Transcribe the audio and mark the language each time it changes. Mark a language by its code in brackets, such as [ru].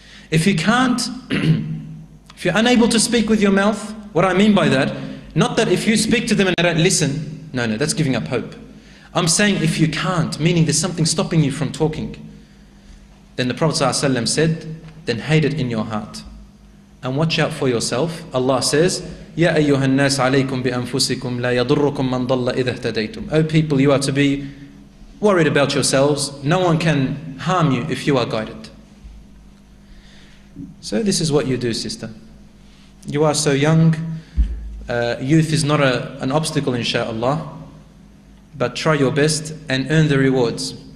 [en] If you can't, if you're unable to speak with your mouth, what I mean by that, not that if you speak to them and they don't listen, no, that's giving up hope. I'm saying if you can't, meaning there's something stopping you from talking, then the Prophet ﷺ said, then hate it in your heart. And watch out for yourself. Allah says, [ar] يَا أَيُّهَا النَّاسَ عَلَيْكُمْ بِأَنفُسِكُمْ لَا يَضُرُّكُمْ مَنْ ضَلَّ إِذَا اهْتَدَيْتُمْ. [en] O people, you are to be worried about yourselves. No one can harm you if you are guided. So this is what you do, sister. You are so young. Youth is not an obstacle, inshallah. But try your best and earn the rewards.